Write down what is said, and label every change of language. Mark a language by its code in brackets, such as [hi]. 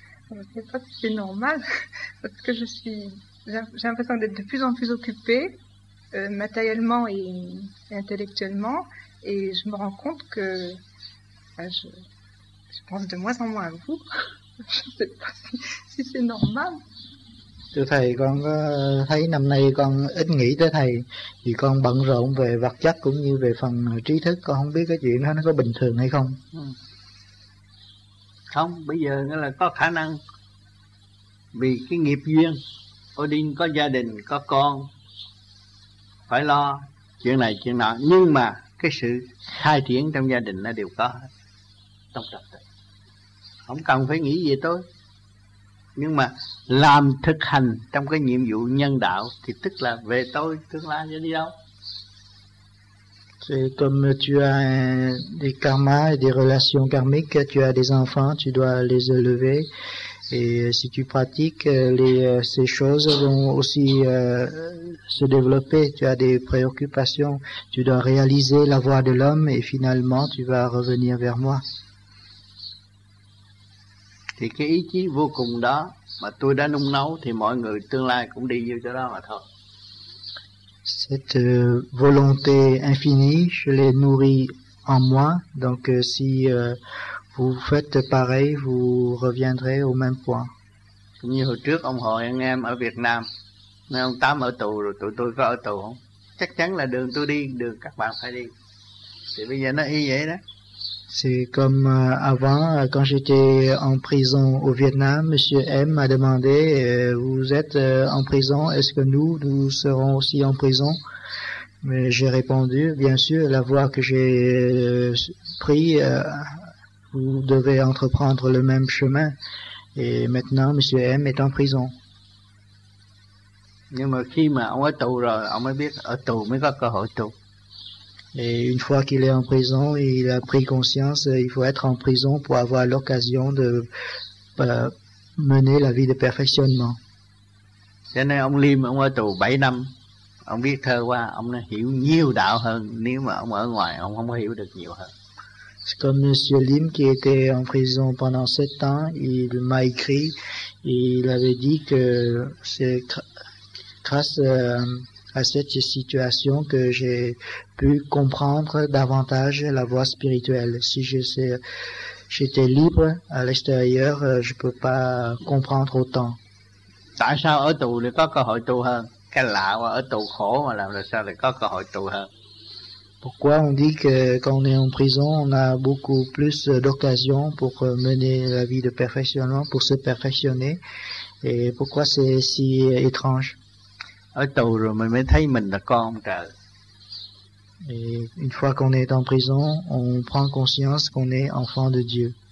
[fr] Je ne sais pas si c'est normal, parce que j'ai l'impression d'être de plus en plus occupée. Matériellement et intellectuellement, et je me rends compte que je pense de moins en moins à vous. Je ne sais pas si c'est normal. [vi] Thưa thầy, con thấy năm nay con ít nghĩ tới thầy vì con bận rộn về vật chất cũng như về phần trí thức, con không biết cái chuyện đó nó có bình thường hay không. Không, bây giờ nghĩa là có khả năng vì cái nghiệp duyên, Odin có gia đình, có con, phải lo chuyện này chuyện nọ, nhưng mà cái sự khai triển trong gia đình nó đều có trong tập tự, không cần phải nghĩ gì tôi. Nhưng mà làm thực hành trong cái nhiệm vụ nhân đạo thì tức là về tôi tương lai sẽ đi đâu. [fr] C'est comme tu as des karmas et des relations karmiques, tu as des enfants, tu dois les élever, et si tu pratiques, ces choses vont aussi se développer. Tu as des préoccupations, tu dois réaliser la voie de l'homme et finalement tu vas revenir vers moi. [vi] Thì cái ý chí vô cùng đó mà tôi đã nung nấu thì mọi người tương lai cũng đi như chỗ đó mà thôi. [fr] Cette volonté infinie, je l'ai nourrie en moi. Donc si vous faites pareil, vous reviendrez au même point. [vi] Cũng như hồi trước ông hỏi anh em ở Việt Nam, nếu ông Tám ở tù rồi tụi tôi có ở tù không? Chắc chắn là đường tôi đi, đường các bạn phải đi. Thì bây giờ nó y vậy đó. [fr] C'est comme avant, quand j'étais en prison au Vietnam, Monsieur M m'a demandé, vous êtes en prison, est-ce que nous serons aussi en prison? Mais j'ai répondu, bien sûr, la voie que j'ai prise, vous devez entreprendre le même chemin. Et maintenant, Monsieur M est en prison. [vi] Nhưng mà khi mà ông ở tù rồi, ông mới biết ở tù mới có cơ hội tu. [fr] Et une fois qu'il est en prison, il a pris conscience, il faut être en prison pour avoir l'occasion de mener la vie de perfectionnement. [vi] Cho nên ông Lim, ông ở tù 7 năm, ông viết thơ qua, ông hiểu nhiều đạo hơn, nếu mà ông ở ngoài, ông không hiểu được nhiều hơn. [fr] C'est comme Monsieur Lim qui était en prison pendant 7 ans. Il m'a écrit et il avait dit que c'est grâce à cette situation que j'ai pu comprendre davantage la voie spirituelle. Si j'étais libre à l'extérieur, je ne peux pas comprendre autant. [vi] Tại sao ở tù lại có cơ hội tu hơn? Cái lạ quá, ở tù khổ mà làm được sao lại có cơ hội tu hơn? [fr] Pourquoi on dit que quand on est en prison, on a beaucoup plus d'occasions pour mener la vie de perfectionnement, pour se perfectionner? Et pourquoi c'est si étrange? [vi] Ở tù rồi mình mới thấy mình là con trời. [fr] Et une fois qu'on est en prison, on prend conscience qu'on est enfant de Dieu.